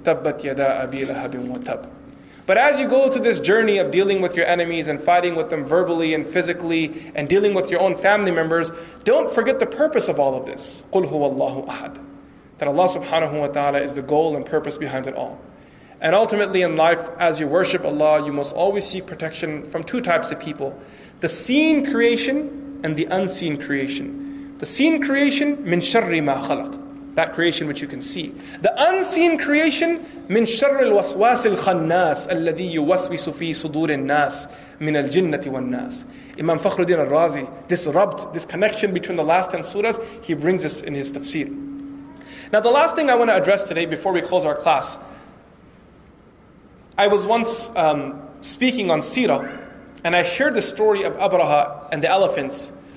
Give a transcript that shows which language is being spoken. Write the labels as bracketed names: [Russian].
[Arabic] Tabbat yada abi lahabin wa tab. [English] But as you go through this journey of dealing with your enemies and fighting with them verbally and physically and dealing with your own family members, don't forget the purpose of all of this. [Arabic] قُلْ هُوَ اللَّهُ أَحَدٌ. [English] That Allah subhanahu wa ta'ala is the goal and purpose behind it all. And ultimately in life, as you worship Allah, you must always seek protection from two types of people. The seen creation and the unseen creation. The seen creation, [Arabic] مِنْ شَرِّ مَا خَلَقْ. [English] That creation which you can see. The unseen creation, [Arabic] مِنْ شَرِّ الْوَسْوَاسِ الْخَنَّاسِ الَّذِي يُوَسْوِسُ فِي صُدُورِ النَّاسِ مِنَ الْجِنَّةِ وَالنَّاسِ. [English] Imam Fakhruddin al-Razi, this rabt, this connection between the last 10 surahs, he brings this in his tafsir. Now the last thing I want to address today before we close our class. I was once speaking on Sirah, and I shared the story of Abraha and the elephants.